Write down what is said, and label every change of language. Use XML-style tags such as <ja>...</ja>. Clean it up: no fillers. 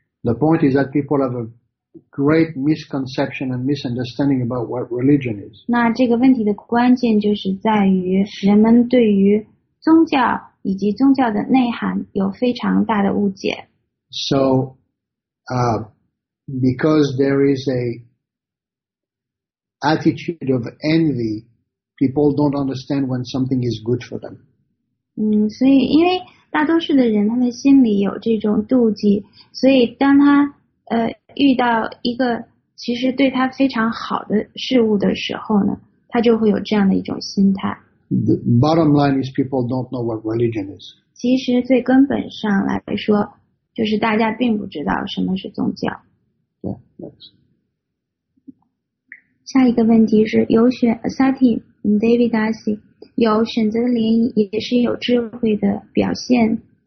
<en>The point is that people have a great misconception and misunderstanding about what religion is.</en> <zh>那这个问题的关键就是在于人们对于宗教以及宗教的内涵有非常大的误解。</zh> <en>So, because there is a attitude of envy, people don't understand when something is good for them.</en> <zh>所以因为大多数的人他的心里有这种妒忌，所以当他遇到一个其实对他非常好的事物的时候呢，他就会有这样的一种心态。</zh> <en>The bottom line is people don't know what religion is.</en> <zh>其实最根本上来说，就是大家并不知道什么是宗教。 Yeah, 下一个问题是有选 Sati David Darcy 有选择的联谊也是有智慧的表现。</zh>